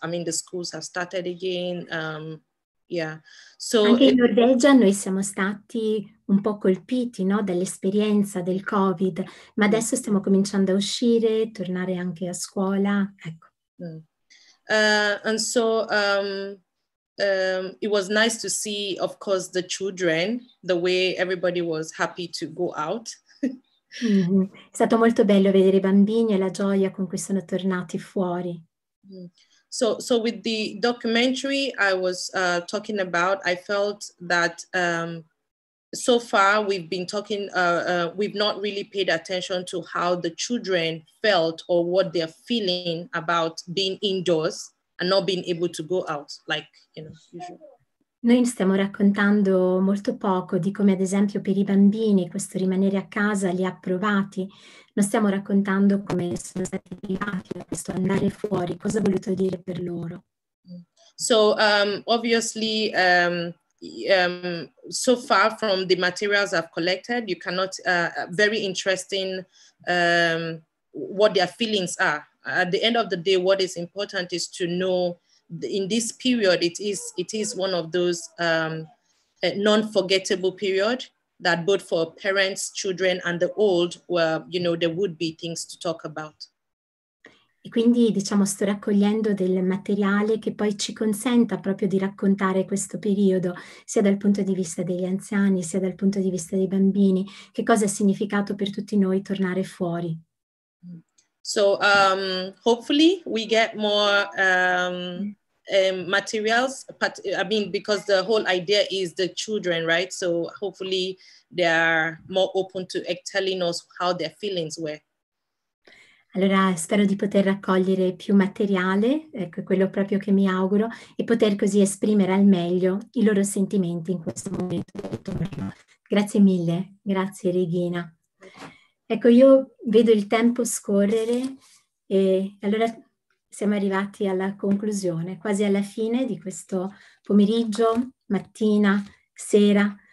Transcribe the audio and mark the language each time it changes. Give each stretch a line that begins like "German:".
English: I mean, the schools have started again. So
Italian: anche in Norvegia noi siamo stati un po' colpiti, no, dall'esperienza del Covid, ma adesso stiamo cominciando a uscire, tornare anche a scuola, ecco.
English: It was nice to see, of course, the children, the way everybody was happy to go out.
Italian: È stato molto bello vedere i bambini e la gioia con cui sono tornati fuori.
English: So with the documentary I was talking about, I felt that so far we've been talking, we've not really paid attention to how the children felt or what they're feeling about being indoors and not being able to go out, like, you know, usually.
Italian: Noi stiamo raccontando molto poco di come, ad esempio, per i bambini questo rimanere a casa li ha provati. Non stiamo raccontando come sono stati privati da questo andare fuori, cosa ha voluto dire per loro.
English: So, obviously, so far from the materials I've collected, you cannot, very interesting what their feelings are. At the end of the day, what is important is to know in this period, it is one of those non-forgettable period that both for parents, children and the old, were, you know, there would be things to talk about.
Italian: E quindi, diciamo, sto raccogliendo del materiale che poi ci consenta proprio di raccontare questo periodo, sia dal punto di vista degli anziani, sia dal punto di vista dei bambini, che cosa ha significato per tutti noi tornare fuori.
English: So hopefully we get more materials, but I mean, because the whole idea is the children, right? So hopefully they are more open to telling us how their feelings were.
Italian: Allora, spero di poter raccogliere più materiale, ecco, quello proprio che mi auguro, e poter così esprimere al meglio i loro sentimenti in questo momento. Grazie mille, grazie Regina. Ecco, io vedo il tempo scorrere e allora siamo arrivati alla conclusione, quasi alla fine di questo pomeriggio, mattina, sera.